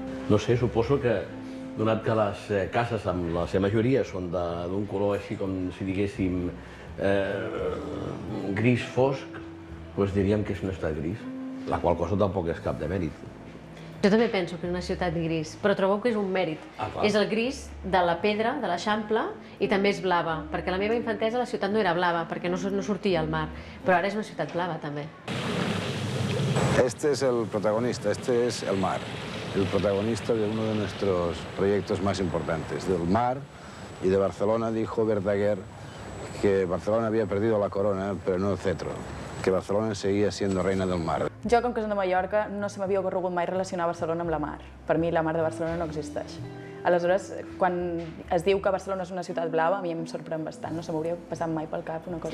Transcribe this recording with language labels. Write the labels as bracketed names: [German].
[Catalan] No sé, suposo que, donat que les cases, amb la seva majoria, són d'un color així com si diguéssim gris fosc, doncs diríem que és un estat gris, la qual cosa tampoc és cap de mèrit. Jo també penso que és una ciutat gris, però trobo que és un mèrit. Ah, és el gris de la pedra, de l'Eixample, i també és blava, perquè la meva infantesa la ciutat no era blava, perquè no sortia al mar, però ara és una ciutat blava, també. [Spanish] Este es el protagonista, este es el mar. El protagonista de uno de nuestros proyectos más importantes, del mar y de Barcelona, dijo Verdaguer que Barcelona había perdido la corona, pero no el cetro. [Catalan] Que Barcelona seguia sent reina del mar. Jo, com que som de Mallorca, no se m'havia ocorregut mai relacionar Barcelona amb la mar. Per mi, la mar de Barcelona no existeix. Aleshores, quan es diu que Barcelona és una ciutat blava, a mi em sorprèn bastant. No se m'hauria passat mai pel cap una cosa.